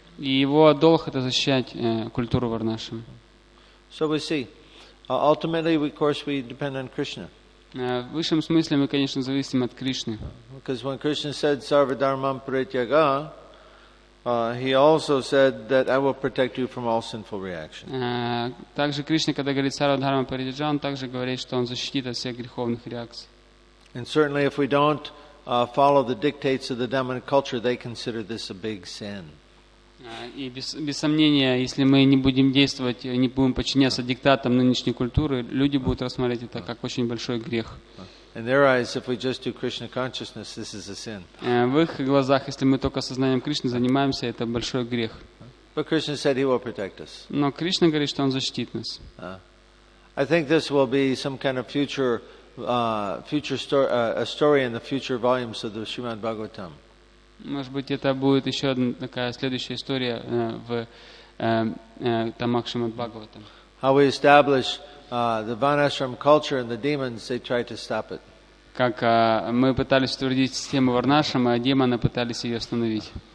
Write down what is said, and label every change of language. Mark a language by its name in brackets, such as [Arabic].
[Russian] И его долг это защищать культуру Варнашрам. [English] So we see. Ultimately, of course, we depend on Krishna. [Russian] В высшем смысле мы, конечно, зависим от Кришны. [English] Because when Krishna said [Sanskrit] "Sarva Dharmam Parityaga," [English] he also said that I will protect you from all sinful reactions. [Russian] Также Кришна, когда говорит [Sanskrit] "Sarva Dharmam Parityaga," [Russian] он также говорит, что он защитит от всех греховных реакций. [English] And certainly, if we don't follow the dictates of the dominant culture, they consider this a big sin. [Russian] И без сомнения, если мы не будем действовать, не будем подчиняться диктатам нынешней культуры, люди будут рассматривать это как очень большой грех. [English] In their eyes, if we just do Krishna consciousness, this is a sin. [Russian] В их глазах, если мы только сознанием Кришны занимаемся, это большой грех. [English] But Krishna said he will protect us. [Russian] Но Кришна говорит, что он защитит нас. [English] I think this will be some kind of future. A story in the future volumes of the Srimad Bhagavatam. [Russian] Может быть, это будет еще одна такая следующая история в томах Шримад Бхагаватам. [English] How we establish the Varnashram culture and the demons, they try to stop it. [Russian] Как мы пытались утвердить систему Варнашрам, а демоны пытались ее остановить.